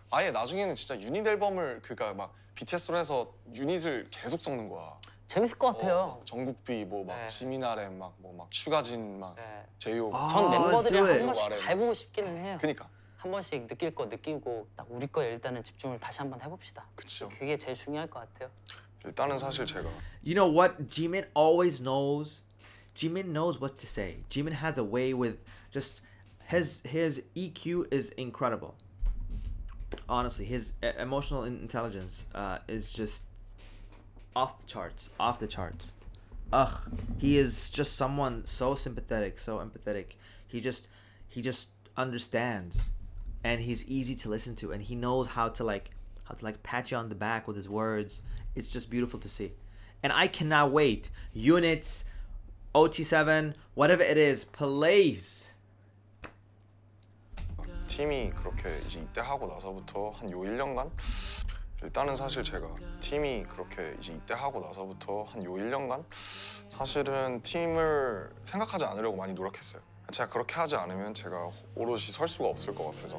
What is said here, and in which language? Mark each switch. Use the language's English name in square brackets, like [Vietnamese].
[Korean] 아예 나중에는 진짜 유닛 앨범을 그니까 막 BTS로 해서 유닛을 계속 섞는 거야. 재밌을 것 같아요. 정국비 뭐 막 네. 지민 RM 막 뭐 막 추가진 막 제이홉. 네. 전 멤버들이랑 한 번씩 다 해보고 싶기는 해요. 그러니까 한 번씩 느낄 거 느끼고 딱 우리 거에 일단은 집중을 다시 한번 해봅시다. 그렇죠. 그게 제일 중요할 것 같아요. 일단은 사실 제가. [English] You know what? Jimin always knows. Jimin knows what to say. Jimin has a way with just His EQ is incredible. Honestly, his emotional intelligence is just off the charts. Off the charts. Ugh, he is just someone so sympathetic, so empathetic. He just understands, and he's easy to listen to, and he knows how to pat you on the back with his words. It's just beautiful to see. And I cannot wait. Units, OT7, whatever it is, please. [Korean] 팀이 그렇게 이제 입대 하고 나서부터 한 요 1년간 일단은 사실 제가 팀이 그렇게 이제 입대 하고 나서부터 한 요 1년간 사실은 팀을 생각하지 않으려고 많이 노력했어요. 제가 그렇게 하지 않으면 제가 오롯이 설 수가 없을 것 같아서.